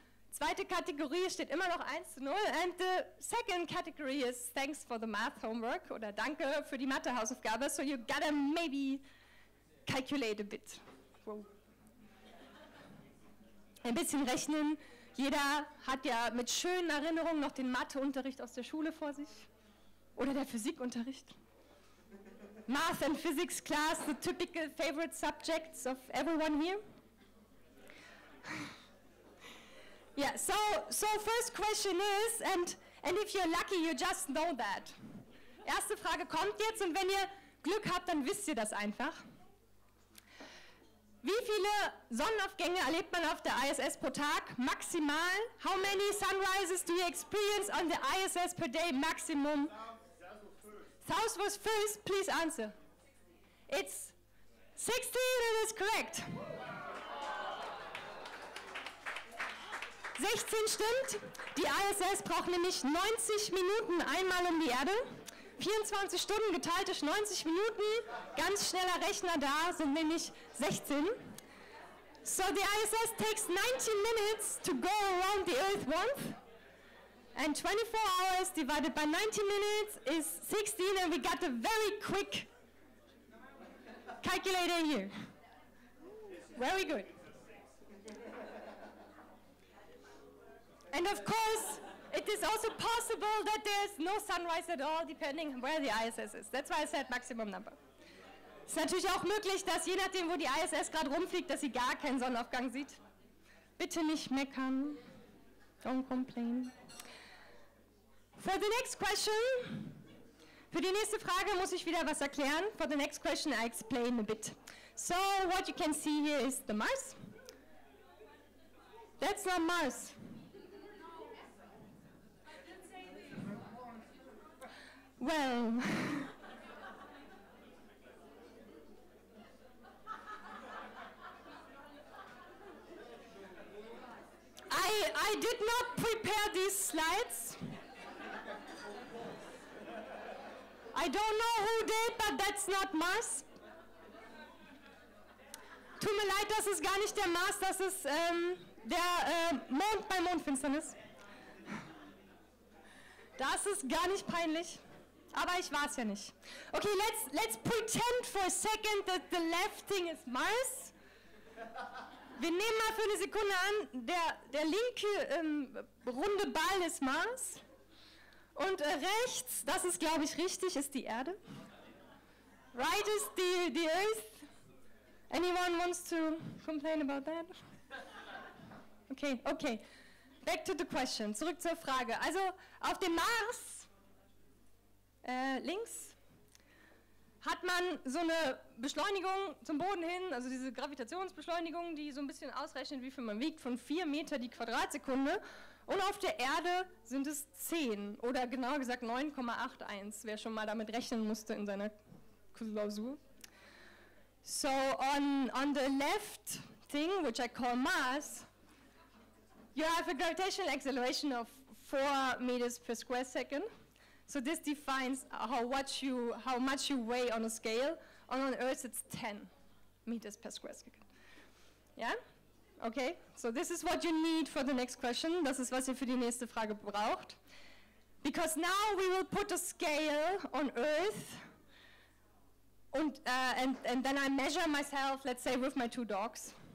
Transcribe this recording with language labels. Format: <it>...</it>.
<de>Zweite Kategorie steht immer noch 1-0.</de> <en>And the second category is thanks for the math homework</en> <de>oder danke für die Mathe-Hausaufgabe.</de> <en>So you gotta maybe calculate a bit. Whoa.</en> <de>Ein bisschen rechnen. Jeder hat ja mit schönen Erinnerungen noch den Matheunterricht aus der Schule vor sich. Oder der Physikunterricht.</de> <en>Math and physics class, the typical favorite subjects of everyone here. Yeah, so first question is, and if you're lucky, you just know that.</en> <de>Erste Frage kommt jetzt und wenn ihr Glück habt, dann wisst ihr das einfach. Wie viele Sonnenaufgänge erlebt man auf der ISS pro Tag? Maximal.</de> <en>How many sunrises do you experience on the ISS per day? Maximum. 1,000 was first. Please answer. It's 16, it is correct.</en> <de>16 stimmt. Die ISS braucht nämlich 90 Minuten einmal um die Erde. 24 Stunden geteilt durch 90 Minuten, ganz schneller Rechner da, sind nämlich 16.</de> <en>So the ISS takes 19 minutes to go around the Earth once. And 24 hours divided by 19 minutes is 16 and we got a very quick calculator here. Very good. And of course, it is also possible that there's no sunrise at all, depending on where the ISS is. That's why I said maximum number.</en> <de>Es ist natürlich auch möglich, dass je nachdem, wo die ISS gerade rumfliegt, dass sie gar keinen Sonnenaufgang sieht. Bitte nicht meckern.</de> <en>Don't complain. For the next question,</en> <de>für die nächste Frage muss ich wieder was erklären.</de> <en>For the next question, I explain a bit. So, what you can see here is the Mars. That's not Mars. Well, I did not prepare these slides. I don't know who did, but that's not Mars.</en> <de>Tut mir leid, das ist gar nicht der Mars, das ist der Mond bei Mondfinsternis. Das ist gar nicht peinlich. Aber ich war es ja nicht.</de> <en>Okay, let's pretend for a second that the left thing is Mars.</en> <de>Wir nehmen mal für eine Sekunde an, der linke runde Ball ist Mars. Und rechts, das ist glaube ich richtig, ist die Erde.</de> <en>Right is the Earth. Anyone wants to complain about that? Okay. Back to the question.</en> <de>Zurück zur Frage. Also auf dem Mars links hat man so eine Beschleunigung zum Boden hin, also diese Gravitationsbeschleunigung, die so ein bisschen ausrechnet, wie viel man wiegt, von 4 Meter die Quadratsekunde. Und auf der Erde sind es 10 oder genauer gesagt 9,81, wer schon mal damit rechnen musste in seiner Klausur.</de> <en>So on the left thing, which I call mass, you have a gravitational acceleration of 4 meters per square second. So this defines how much you weigh on a scale. And on Earth, it's 10 meters per square second. Yeah? Okay, so this is what you need for the next question.</en> <de>Das ist, was ihr für die nächste Frage braucht.</de> <en>Because now we will put a scale on Earth, and then I measure myself, let's say, with my two dogs.</en>